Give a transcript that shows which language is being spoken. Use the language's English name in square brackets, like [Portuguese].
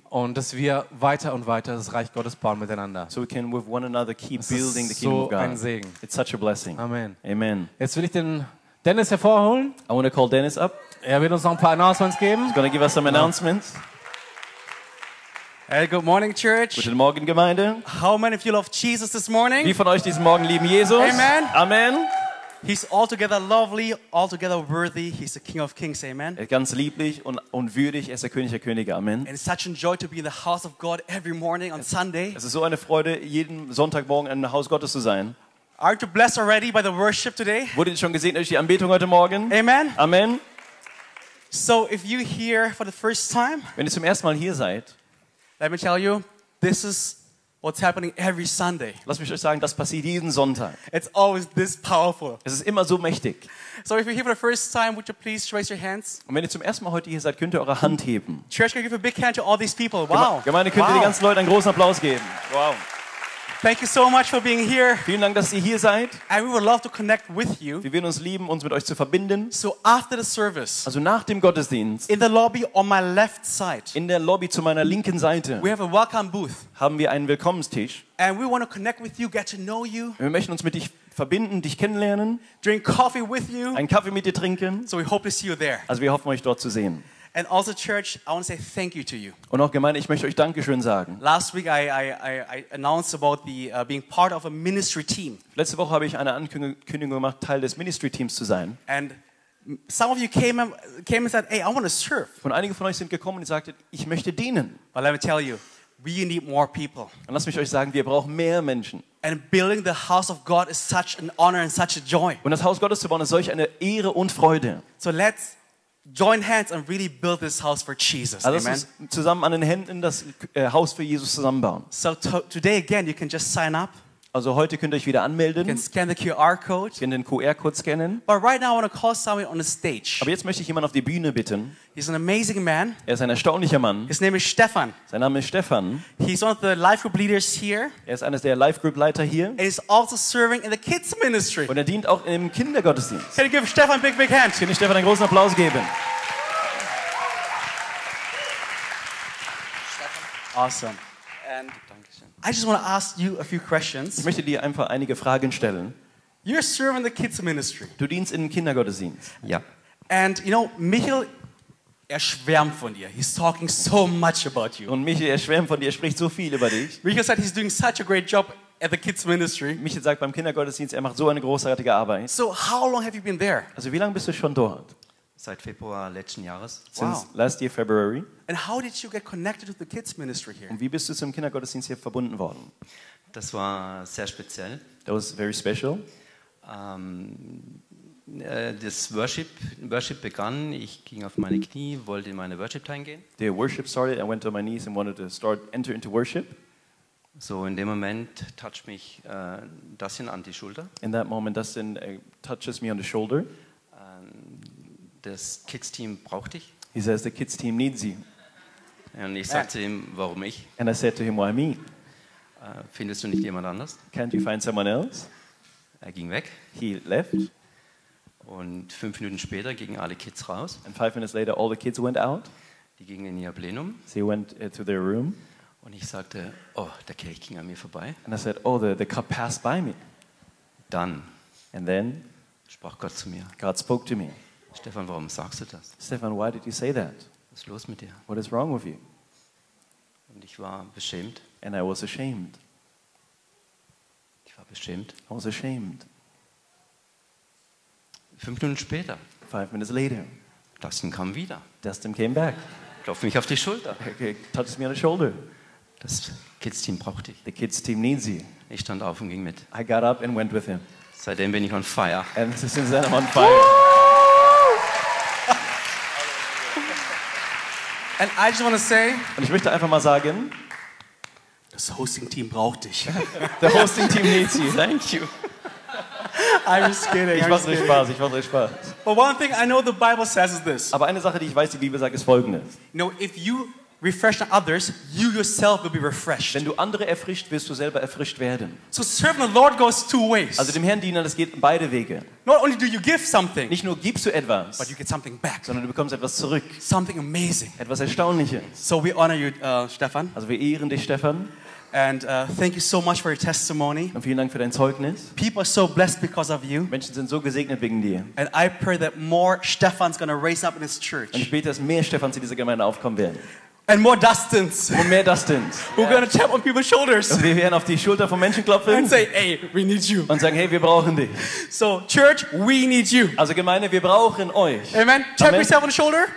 [German] Und dass wir weiter und weiter das Reich Gottes bauen miteinander. [English] So we can with one another keep building the kingdom so of God. [German] Ein Segen. [English] It's such a blessing. Amen. [German] Amen. Jetzt will ich den Dennis hervorholen. [English] I want to call Dennis up. [German] Er wird uns noch ein paar Announcements geben. [English] He's going to give us some announcements. Hey, good morning, church. [German] Guten Morgen, Gemeinde. [English] How many of you love Jesus this morning? [German] Wie von euch diesen Morgen lieben Jesus? [English] Amen. [German] Amen. [English] He's altogether lovely, altogether worthy. He's the King of Kings. Amen. [German] Er ist ganz lieblich und würdig. Er ist der König der Könige. Amen. [English] And it's such a joy to be in the house of God every morning on Sunday. [German] Es ist so eine Freude, jeden Sonntagmorgen im Haus Gottes zu sein. [English] Aren't you blessed already by the worship today? [German] Wurdet ihr schon gesegnet durch die Anbetung heute Morgen? [English] Amen. [German] Amen. [English] So, if you're here for the first time, [German] wenn ihr zum ersten Mal hier seid, [English] let me tell you, this is what's happening every Sunday. [German] Lass mich euch sagen, das passiert jeden Sonntag. [English] It's always this powerful. [German] Es ist immer so mächtig. [English] So, if you're here for the first time, would you please raise your hands? [German] Und wenn ihr zum ersten Mal heute hier seid, könnt ihr eure Hand heben. [English] Church, can you give a big hand to all these people? Wow. [German] Gemeinde, könnt ihr den ganzen Leuten einen großen Applaus geben? Wow. [English] Thank you so much for being here. [German] Vielen Dank, dass ihr hier seid. [English] And we would love to connect with you. [German] Wir würden uns lieben, uns mit euch zu verbinden. [English] So after the service. [German] Also nach dem Gottesdienst. [English] In the lobby on my left side. [German] In der Lobby zu meiner linken Seite. [English] We have a welcome booth. [German] Haben wir einen Willkommenstisch. [English] And we want to connect with you, get to know you. [German] Wir möchten uns mit dich verbinden, dich kennenlernen. [English] Drink coffee with you. [German] Einen Kaffee mit dir trinken. [English] So we hope to see you there. [German] Also wir hoffen, euch dort zu sehen. [English] And also, church, I want to say thank you to you. [German] Und auch Gemeinde, ich möchte euch Dankeschön sagen. [English] Last week I announced about the being part of a ministry team. [German] Letzte Woche habe ich eine Ankündigung gemacht, Teil des Ministry Teams zu sein. [English] And some of you came and said, "Hey, I want to serve." [German] Und einige von euch sind gekommen und sagten, ich möchte dienen. [English] But let me tell you, we need more people. [German] Und lass mich euch sagen, wir brauchen mehr Menschen. [English] And building the house of God is such an honor and such a joy. [German] Und das Haus Gottes zu bauen ist solch eine Ehre und Freude. [English] So let's join hands and really build this house for Jesus. [German] Also, amen. Zusammen an den Händen das Haus für Jesus zusammenbauen. [English] So today again you can just sign up. [German] Also heute könnt ihr euch wieder anmelden. [English] You can scan the QR code. [German] Ihr könnt den QR-Code scannen. [English] But right now I want to call someone on the stage. [German] Aber jetzt möchte ich jemanden auf die Bühne bitten. [English] He's an amazing man. [German] Er ist ein erstaunlicher Mann. [English] His name is Stefan. [German] Sein Name ist Stefan. [English] He's one of the life group leaders here. [German] Er ist einer der Life Group Leiter hier. [English] And he's also serving in the kids ministry. [German] Und er dient auch im Kindergottesdienst. [English] Can you give Stefan a big hand? [German] Könnt ihr Stefan einen großen Applaus geben? [English] Awesome. And I just want to ask you a few questions. [German] Ich möchte dir einfach einige Fragen stellen. [English] You're serving the kids ministry. [German] Du dienst in Kindergottesdienst. Ja. [English] And you know, [German] Michael, er schwärmt von dir. [English] He's talking so much about you. [German] Und Michael, er schwärmt von dir. Er spricht so viel über dich. [English] Michael said he's doing such a great job at the kids ministry. [German] Michael sagt beim Kindergottesdienst, er macht so eine großartige Arbeit. [English] So how long have you been there? [German] Also wie lange bist du schon dort? Seit Februar letzten Jahres. [English] Since wow. Last year February. And how did you get connected to the kids ministry here? [German] Und wie bist du zum Kindergottesdienst hier verbunden worden? Das war sehr speziell. [English] That was very special. [German] Das Worship begann. Ich ging auf meine Knie, wollte in meine Worship Time gehen. [English] The worship started. I went on my knees and wanted to enter into worship. [German] So in dem Moment touched mich Dustin an die Schulter. [English] In that moment, Dustin touches me on the shoulder. [German] Das Kids Team braucht dich. [English] He says the kids team needs you. [German] Und ich sagte ihm, warum ich? [English] And I said to him, why me? [German] Findest du nicht jemand anders? [English] Can't you find someone else? [German] Er ging weg. [English] He left. [German] Und 5 Minuten später gingen alle Kids raus. [English] And 5 minutes later, all the kids went out. [German] Die gingen in ihr Plenum. [English] They went to their room. [German] Und ich sagte, oh, der Kelch ging an mir vorbei. [English] And I said, oh, the cup passed by me. [German] Dann. [English] And then. [German] Sprach Gott zu mir. [English] God spoke to me. [German] Stefan, warum sagst du das? [English] Stefan, why did you say that? [German] Was ist los mit dir? [English] What is wrong with you? [German] Und ich war beschämt. [English] And I was ashamed. [German] Ich war beschämt. [English] I was ashamed. [German] 5 Minuten später. [English] 5 minutes later. [German] Dustin kam wieder. [English] Dustin came back. [German] Klopfte mich auf die Schulter. [English] Okay, touched me on the shoulder. [German] Das Kids Team braucht dich. [English] The Kids Team needs you. [German] Ich stand auf und ging mit. [English] I got up and went with him. [German] Seitdem bin ich [English] on fire. And since then I'm on fire. And I just want to say, [German] und ich möchte einfach mal sagen, das Hosting-Team braucht dich. [English] The Hosting-Team needs you. Thank you. I'm just kidding. [German] Ich mache Spaß. [English] But one thing I know the Bible says is this. [German] Aber eine Sache, die ich weiß, die Bibel sagt, ist folgendes. [English] You know, if you refresh others, you yourself will be refreshed. [German] Wenn du andere erfrischt, wirst du selber erfrischt werden. [English] So serving the Lord goes two ways. [German] Also dem Herrn dienen, das geht beide Wege. [English] Not only do you give something, [German] nicht nur gibst du etwas, [English] but you get something back, [German] sondern du bekommst etwas zurück. [English] Something amazing. [German] Etwas Erstaunliches. [English] So we honor you, Stefan. [German] Also wir ehren dich, Stefan. [English] And thank you so much for your testimony. [German] Und vielen Dank für dein Zeugnis. [English] People are so blessed because of you. [German] Menschen sind so gesegnet wegen dir. [English] And I pray that more Stefans gonna raise up in this church. [German] Und ich bete, dass mehr Stefans in dieser Gemeinde aufkommen werden. [English] And more Dustins. [German] Und mehr Dustins. [English] We're gonna tap on people's shoulders. [German] Und wir werden auf die Schulter von Menschen klopfen. [English] And say, hey, we need you. [German] Und sagen, hey, wir brauchen dich. [English] So, church, we need you. [German] Also Gemeinde, wir brauchen euch. [English] Amen. Tap yourself on the shoulder.